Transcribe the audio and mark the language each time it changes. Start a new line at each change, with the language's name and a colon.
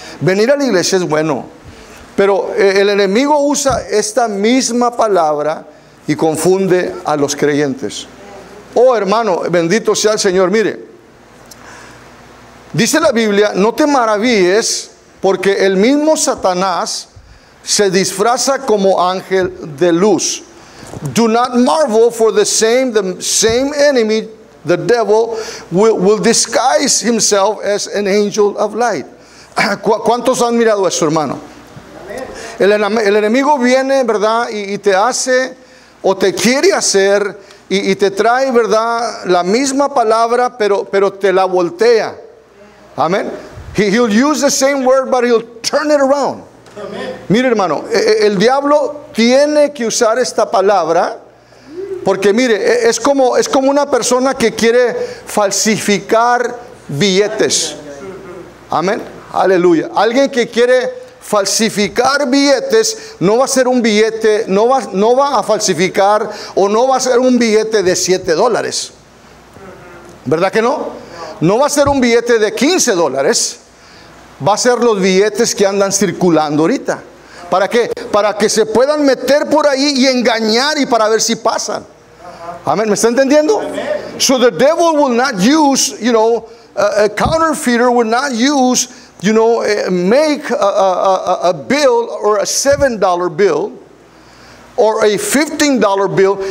Spanish: Venir a la iglesia es bueno. Pero el enemigo usa esta misma palabra y confunde a los creyentes. Oh, hermano, bendito sea el Señor. Mire, dice la Biblia, no te maravilles porque el mismo Satanás se disfraza como ángel de luz.
English: Do not marvel, for the same enemy, the devil, will disguise himself as an angel of light.
Spanish: ¿Cuántos han mirado eso, hermano? El enemigo viene, ¿verdad?, y te hace o te quiere hacer y te trae, ¿verdad?, la misma palabra, pero te la voltea. Amén.
English: He'll use the same word, but he'll turn it around. Amen.
Spanish: Mire, hermano, el diablo tiene que usar esta palabra. Porque mire, es como una persona que quiere falsificar billetes. Amén. Aleluya. Alguien que quiere falsificar billetes no va a ser un billete, no va a falsificar o no va a ser un billete de $7. ¿Verdad que no? No va a ser un billete de $15. Va a ser los billetes que andan circulando ahorita. ¿Para qué? Para que se puedan meter por ahí y engañar y para ver si pasan. Amén. ¿Me está entendiendo? Amen.
English: So the devil will not use, you know, a counterfeiter will not use, you know, make a bill or a $7 bill or a $15 bill.